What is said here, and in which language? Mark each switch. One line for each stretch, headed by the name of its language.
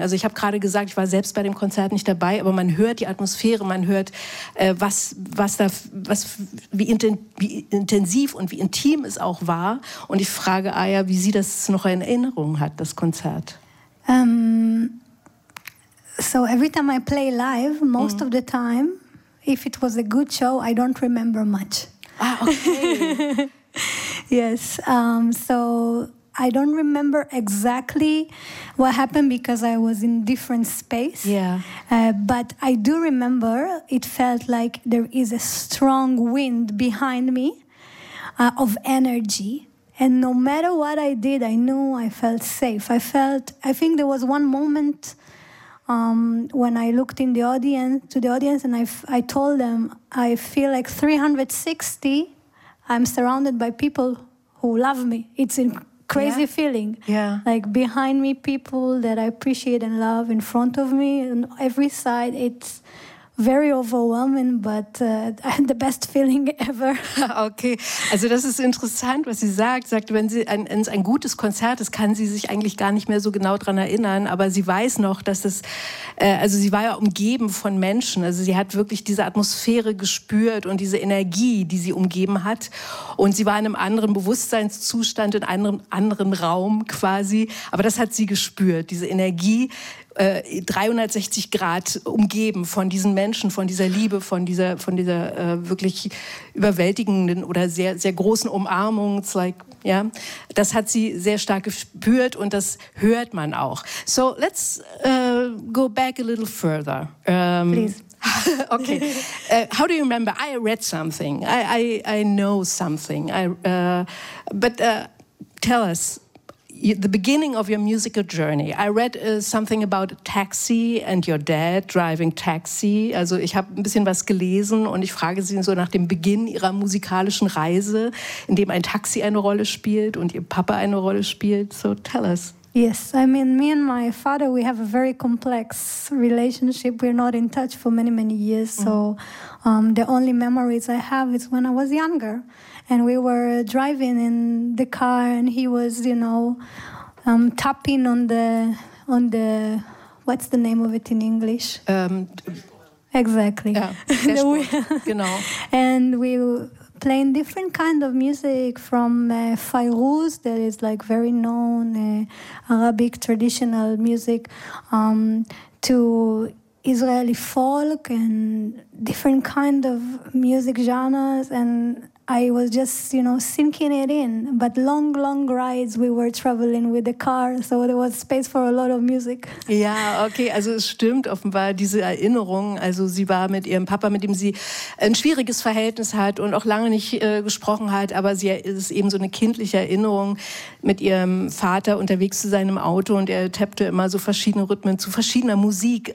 German: Also, ich habe gerade gesagt, ich war selbst bei dem Konzert nicht dabei, aber man hört die Atmosphäre, man hört wie intensiv und wie intim es auch war. Und ich frage Aya, wie sie das noch in Erinnerung hat, das Konzert.
English: So every time I play live, most of the time, if it was a good show, I don't remember much. Ah, okay. Yes, so I don't remember exactly what happened because I was in different space. Yeah. But I do remember it felt like there is a strong wind behind me of energy. And no matter what I did, I knew I felt safe. I think there was one moment when I looked in the audience, to the audience, and I told them, I feel like 360, I'm surrounded by people who love me. It's incredible. Crazy feeling. Yeah. Like behind me, people that I appreciate and love, in front of me, on every side. It's very overwhelming, but the best feeling ever.
German: Okay, also das ist interessant, was sie sagt. Sagt, wenn sie ein gutes Konzert ist, kann sie sich eigentlich gar nicht mehr so genau dran erinnern, aber sie weiß noch, dass es, also sie war ja umgeben von Menschen, also sie hat wirklich diese Atmosphäre gespürt und diese Energie, die sie umgeben hat, und sie war in einem anderen Bewusstseinszustand, in einem anderen Raum quasi, aber das hat sie gespürt, diese Energie, 360 Grad umgeben von diesen Menschen, von dieser Liebe, von dieser wirklich überwältigenden oder sehr, sehr großen Umarmung.
English: It's like, yeah.
German: Das hat sie sehr stark gespürt und das hört man auch.
English: So let's go back a little further. Please. Okay. How do you remember? I read something. I know something. Tell us. The beginning of your musical journey. I read something about a taxi and your dad driving taxi.
German: Also ich habe ein bisschen was gelesen und ich frage Sie so nach dem Beginn Ihrer musikalischen Reise, in dem ein Taxi eine Rolle spielt und Ihr Papa eine Rolle spielt.
English: So tell us. Yes, I mean, me and my father, we have a very complex relationship. We're not in touch for many, many years. So the only memories I have is when I was younger. And we were driving in the car, and he was, you know, tapping on the what's the name of it in English? Exactly. Yeah. Dashboard, you know. And we were playing different kind of music from Fairouz, that is like very known Arabic traditional music, to Israeli folk and different kind of music genres. And I was just, you know, sinking it in. But long, long rides, we were traveling with the car, so there was space for a lot of music.
German: Ja, okay, also es stimmt offenbar, diese Erinnerung, also sie war mit ihrem Papa, mit dem sie ein schwieriges Verhältnis hat und auch lange nicht gesprochen hat, aber sie ist eben so eine kindliche Erinnerung, mit ihrem Vater unterwegs zu sein im Auto, und er tappte immer so verschiedene Rhythmen zu verschiedener Musik.